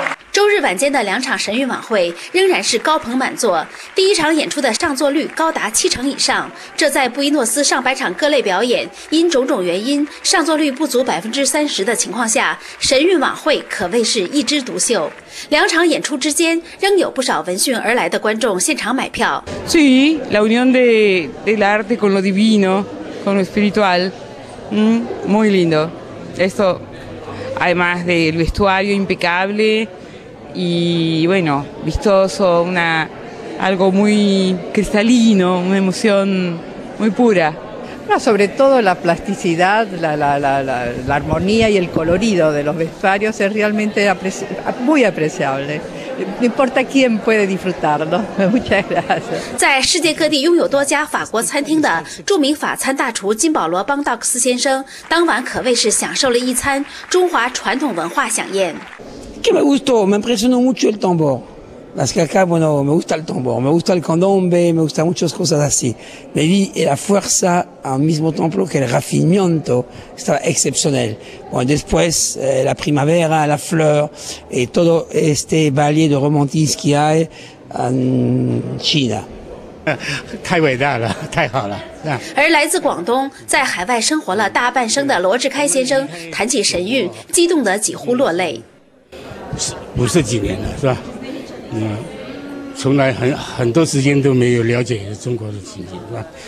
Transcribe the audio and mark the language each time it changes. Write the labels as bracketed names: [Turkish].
[Chinese] 周日晚间的两场神韵晚会仍然是高朋满座，第一场演出的上座率高达70%以上，这在布宜诺斯上百场各类表演因种种原因上座率不足30%的情况下，神韵晚会可谓是一枝独秀。两场演出之间仍有不少闻讯而来的观众现场买票。 [Spanish] Sí, la unión del arte con lo divino, con lo espiritual, muy lindo. Esto, además del vestuario impecable,y bueno, vistoso, algo muy cristalino, una emoción muy pura. No, sobre todo la plasticidad, la armonía y el colorido de los vestuarios es realmente muy apreciable. No importa quién puede disfrutarlo. Muchas gracias. [Chinese] 在世界各地拥有多家法国餐厅的著名法餐大厨金保罗·邦道克斯先生，当晚可谓是享受了一餐中华传统文化飨宴。 [Spanish] Que me gustó, me impresionó mucho el tambor. Parce que acá, bueno, me gusta el tambor, me gusta el candombe, me gusta muchas cosas así. Le di la fuerza al mismo tiempo que el raffinamiento, estaba excepcional. Bueno, después, la primavera, la flor, y todo este valle de romantismo que hay en China. [Chinese] 太伟大了，太好了。而来自广东，在海外生活了大半生的罗志开先生，谈起神韵，激动得几乎落泪。不是几年了，是吧？从来很多时间都没有了解中国的情景，是吧？